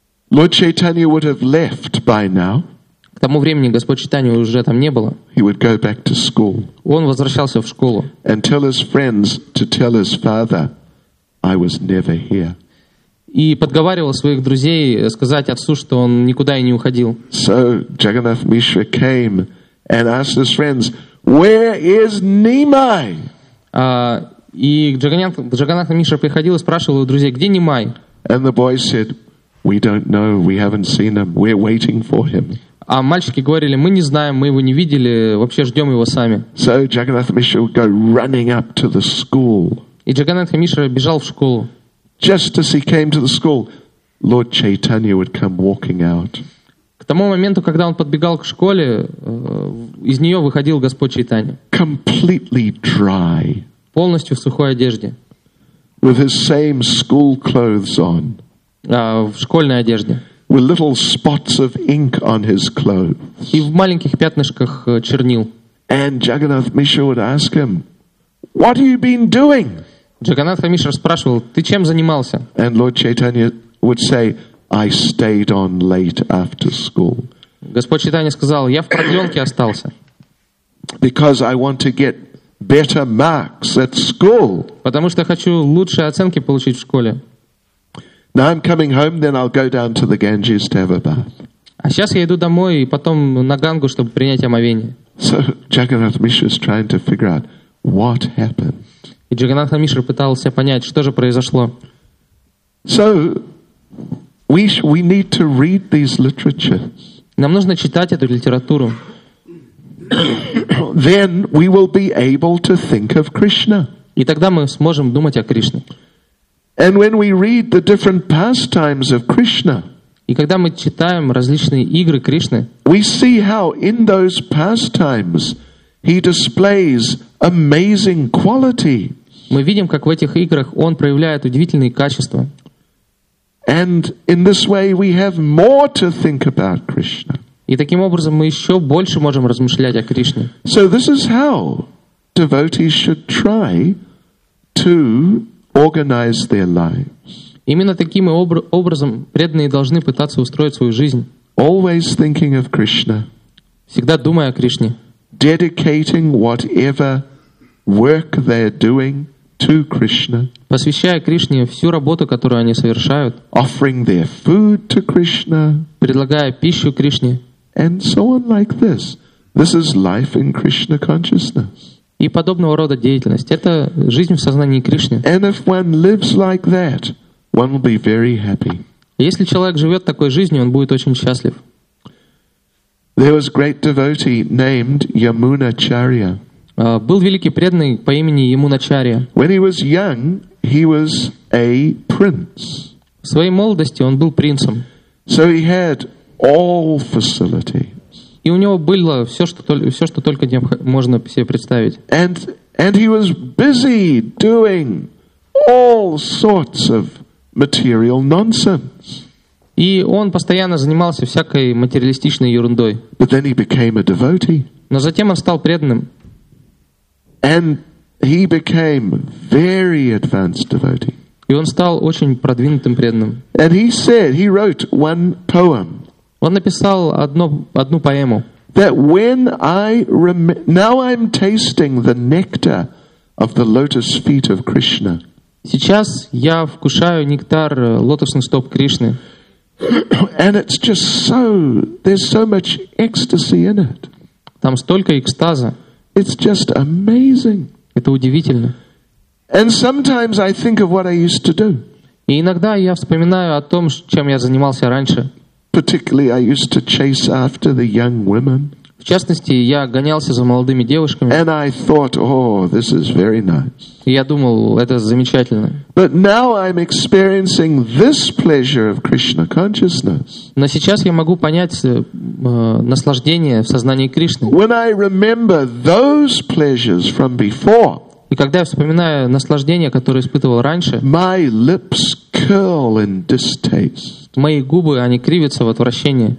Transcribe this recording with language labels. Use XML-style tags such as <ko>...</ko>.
<en>Lord Chaitanya would have left by now.</en> <ru>К тому времени Господь Чайтанья уже там не было.</ru> <en>He would go back to school.</en> <ru>Он возвращался в школу.</ru> <en>And tell his friends to tell his father, I was never here.</en> <ru>И подговаривал своих друзей сказать отцу, что он никуда и не уходил.</ru> <en>So Jagannath Mishra came and asked his friends, where is Nimai?</en> <ru>И Джаганнат Мишра приходил и спрашивал у друзей, где Нимай?</ru> <en>And the boys said, we don't know, we haven't seen him, we're waiting for him.</en> <ru>А мальчики говорили, мы не знаем, мы его не видели, вообще ждем его сами.</ru> <en>So Jagannath Mishra would go running up to the school.</en> <ru>И Джаганнатха Мишра бежал в школу.</ru> <en>Just as he came to the school, Lord Chaitanya would come walking out.</en> <ru>К тому моменту, когда он подбегал к школе, из нее выходил Господь Чайтанья.</ru> <en>Completely dry.</en> <ru>Полностью в сухой одежде.</ru> <en>With his same school clothes on.</en> <ru>В школьной одежде.</ru> <en>With little spots of ink on his clothes.</en> <ru>И в маленьких пятнышках чернил.</ru> <en>And Jagannath Mishra would ask him, "What have you been doing?"</en> <ru>Джаганнатха Мишра спрашивал, "Ты чем занимался?"</ru> <en>And Lord Chaitanya would say, "I stayed on late after school."</en> <ru>Господь Чайтанья сказал, "Я в продленке остался."</ru> <en>Because I want to get better marks at school.</en> <ru>Потому что хочу лучшие оценки получить в школе.</ru> <en>Now I'm coming home, then I'll go down to the Ganges to have a bath.</en> <ru>А сейчас я иду домой и потом на Гангу, чтобы принять омовение.</ru> <en>So Jagannath Mishra is trying to figure out what happened.</en> <ru>И Джаганнатха Мишра пытался понять, что же произошло.</ru> <en>So we need to read these literatures.</en> <ru>Нам нужно читать эту литературу.</ru> <en>Then we will be able to think of Krishna.</en> <ru>И тогда мы сможем думать о Кришне.</ru> <en>And when we read the different pastimes of Krishna,</en> <ru>и когда мы читаем различные игры Кришны,</ru> <en>we see how in those pastimes he displays amazing qualities.</en> <ru>Мы видим, как в этих играх он проявляет удивительные качества.</ru> <en>And in this way we have more to think about Krishna.</en> <ru>И таким образом мы еще больше можем размышлять о Кришне.</ru> <en>So this is how devotees should try to organize their lives.</en> <ru>Именно таким образом преданные должны пытаться устроить свою жизнь.</ru> <en>Always thinking of Krishna.</en> <ru>Всегда думая о Кришне.</ru> <en>Dedicating whatever work they're doing to Krishna.</en> <ru>Посвящая Кришне всю работу, которую они совершают.</ru> <en>Offering their food to Krishna.</en> <ru>Предлагая пищу Кришне.</ru> <en>And so on like this. This is life in Krishna consciousness.</en> <ru>И подобного рода деятельность. Это жизнь в сознании Кришны.</ru> <en>And if one lives like that, one will be very happy.</en> <ru>Если человек живет такой жизнью, он будет очень счастлив.</ru> <en>There was great devotee named Yamunacharya.</en> <ru>Был великий преданный по имени Ямуначария.</ru> <en>When he was young, he was a prince.</en> <ru>В своей молодости он был принцем.</ru> <en>So he had all facilities.</en> <ru>И у него было все, что только можно себе представить.</ru> <en>And he was busy doing all sorts of material nonsense.</en> <ru>И он постоянно занимался всякой материалистичной ерундой.</ru> <en>But then he became a devotee.</en> <ru>Но затем он стал преданным.</ru> <en>And he became very advanced devotee.</en> <ru>И он стал очень продвинутым преданным.</ru> <en>And he said, he wrote one poem.</en> <ru>Он написал одну поэму.</ru> <en>That when I now I'm tasting the nectar of the lotus feet of Krishna.</en> <ru>Сейчас я вкушаю нектар лотосных стоп Кришны.</ru> <en>And it's just so, there's so much ecstasy in it.</en> <ru>Там столько экстаза.</ru> <en>It's just amazing.</en> <ru>Это удивительно.</ru> <en>And sometimes I think of what I used to do.</en> <ru>И иногда я вспоминаю о том, чем я занимался раньше.</ru> <en>Particularly I used to chase after the young women.</en> <ru>В частности, я гонялся за молодыми девушками.</ru> <en>And I thought, oh, this is very nice.</en> <ru>И я думал, это замечательно.</ru> <en>But now I'm experiencing this pleasure of Krishna consciousness.</en> <ru>Но сейчас я могу понять наслаждение в сознании Кришны.</ru> <en>When I remember those pleasures from before.</en> <ru>И когда я вспоминаю наслаждение, которое испытывал раньше.</ru> <en>My lips curl in distaste.</en> <ru>Мои губы, они кривятся в отвращении.</ru>